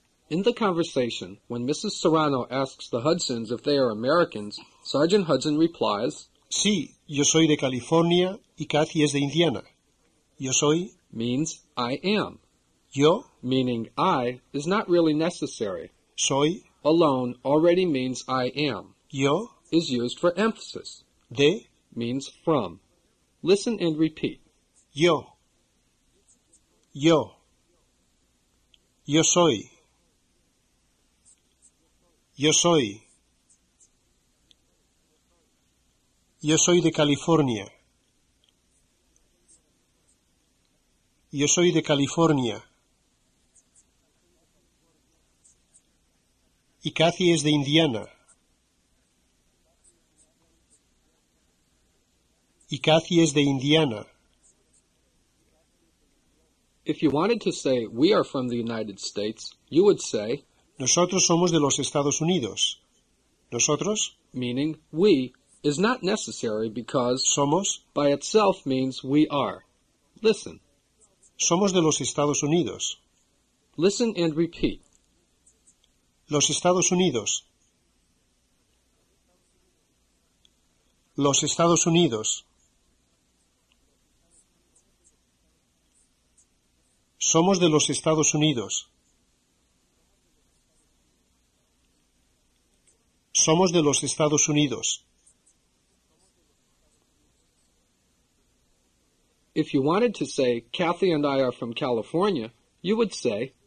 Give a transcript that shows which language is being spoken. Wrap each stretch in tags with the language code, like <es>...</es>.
<en>In the conversation, when Mrs. Serrano asks the Hudsons if they are Americans, Sergeant Hudson replies,</en> <es>sí, yo soy de California y Kathy es de Indiana. Yo soy</es> <en>means I am.</en> <es>Yo</es> <en>meaning I is not really necessary.</en> <es>Soy</es> <en>alone already means I am.</en> <es>Yo</es> <en>is used for emphasis.</en> <es>De</es> <en>means from. Listen and repeat.</en> <es>Yo. Yo. Yo soy. Yo soy. Yo soy de California. Yo soy de California. Y Kathy es de Indiana. Y Kathy es de Indiana.</es> <en>If you wanted to say we are from the United States, you would say</en> <es>nosotros somos de los Estados Unidos. Nosotros,</es> <en>meaning we, is not necessary because</en> <es>somos</es> <en>by itself means we are. Listen.</en> <es>Somos de los Estados Unidos.</es> <en>Listen and repeat.</en> <es>Los Estados Unidos. Los Estados Unidos. Somos de los Estados Unidos. Somos de los Estados Unidos.</es> <en>If you wanted to say Kathy and I are from California, you would say</en>